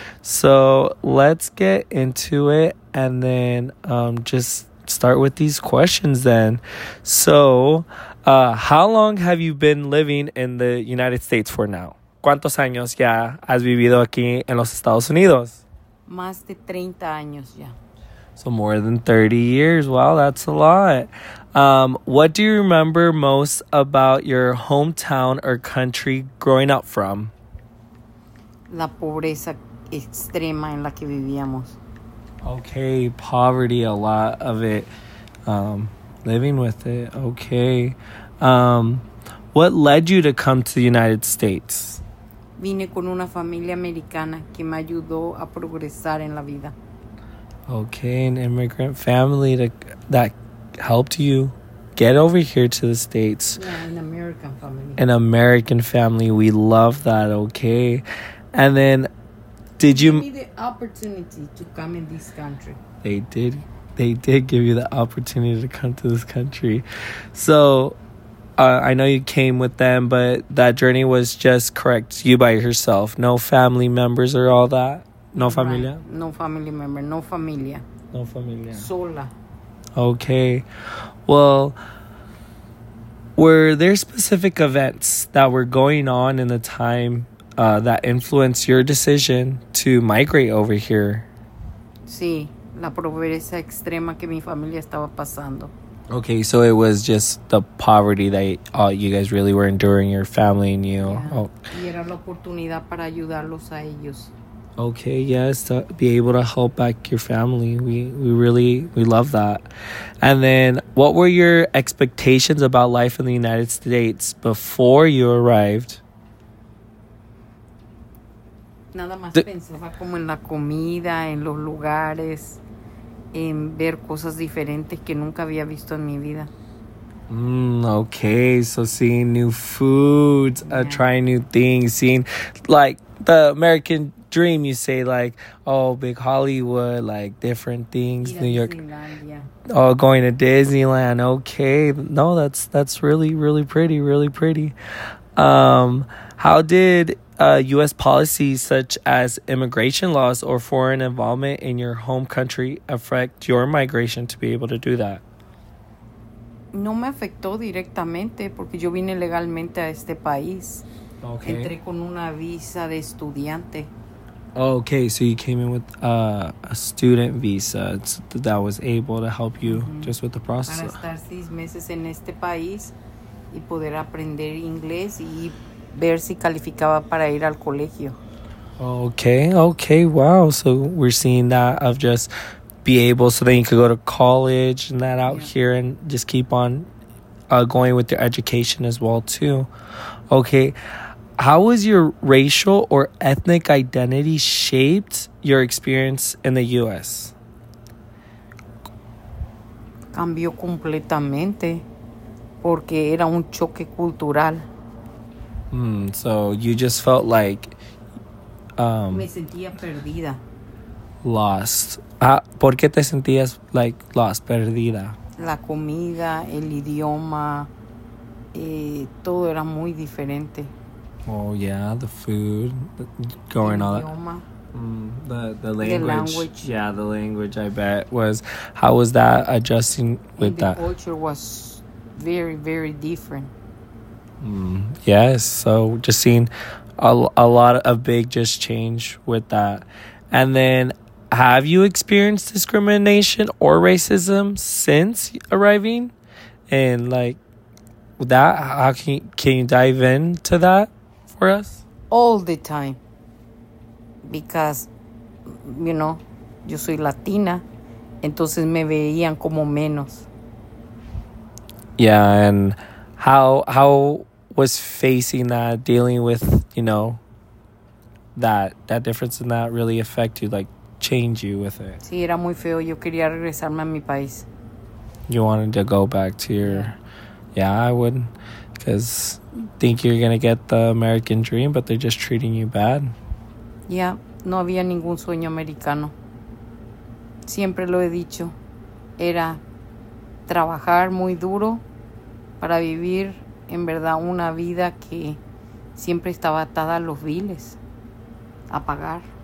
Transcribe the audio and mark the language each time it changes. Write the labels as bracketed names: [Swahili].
[English] So let's get into it and then just start with these questions then. So how long have you been living in the United States for now? [Spanish] ¿Cuántos años ya has vivido aquí en los Estados Unidos? Más de 30 años ya. [English] So more than 30 years. Wow, that's a lot. What do you remember most about your hometown or country growing up from? [Spanish] La pobreza extrema en la que vivíamos. [English] Okay, poverty, a lot of it, living with it. Okay, what led you to come to the United States? [Spanish] Vine con una familia americana que me ayudó a progresar en la vida. [English] Okay, an immigrant family that helped you get over here to the States. Yeah, an American family. An American family, we love that. Okay, and then did you give me the opportunity to come in this country? They did give you the opportunity to come to this country. So I know you came with them, but that journey was just correct, you by yourself, no family members or all that? [Spanish] No familia? [English] Right. No family member. [Spanish] No familia. No familia. Sola. [English] Okay, well, were there specific events that were going on in the time that influenced your decision to migrate over here? [Spanish] Sí, la pobreza extrema que mi familia estaba pasando. [English] Okay, so it was just the poverty that you guys really were enduring, your family and you. Yeah. Oh. [Spanish] Y era la oportunidad para ayudarlos a ellos. [English] Okay, yes, to be able to help back your family. We really love that. And then what were your expectations about life in the United States before you arrived? [Spanish] Nada más pensaba como en la comida, en los lugares, en ver cosas diferentes que nunca había visto en mi vida. [English] Okay, so seeing new foods, trying new things, seeing like the American dream, you say, like, oh, big Hollywood, like different things, New York. Disneyland, yeah. Oh, going to Disneyland. Okay, no, that's really, really pretty, really pretty. How did U.S. policies such as immigration laws or foreign involvement in your home country affect your migration to be able to do that? [Spanish] No me afectó directamente porque yo vine legalmente a este país. [English] Okay. [Spanish] Entré con una visa de estudiante. [English] Okay, so you came in with a student visa that was able to help you just with the process. [Spanish] Para estar 6 meses en este país y poder aprender inglés y ver si calificaba para ir al colegio. [English] Okay, wow. So we're seeing that of just be able, so then you could go to college and that out here and just keep on going with your education as well too. Okay, how was your racial or ethnic identity shaped your experience in the U.S.? [Spanish] Cambió completamente porque era un choque cultural. [English] So you just felt like [Spanish] me sentía perdida. [English] lost? [Spanish] ¿Por qué te sentías [English] like lost, [Spanish] perdida? La comida, el idioma, todo era muy diferente. [English] Oh yeah, the food, going all that. Mm, the language. Yeah, the language. I bet was. How was that adjusting with the that? The culture was very, very different. Mm, yes. So just seeing a lot of big just change with that, and then have you experienced discrimination or racism since arriving? And like that, how can you dive into that? For us? All the time. Because, you know, [Spanish] yo soy Latina, entonces me veían como menos. [English] Yeah, and how was facing that, dealing with, you know, that difference in that really affect you, like, change you with it? [Spanish] Sí, era muy feo. Yo quería regresarme a mi país. [English] You wanted to go back to your... Yeah, I would, because... Think you're gonna get the American dream, but they're just treating you bad. [Spanish] Yeah, no había ningún sueño americano. Siempre lo he dicho. Era trabajar muy duro para vivir en verdad una vida que siempre estaba atada a los biles, a pagar.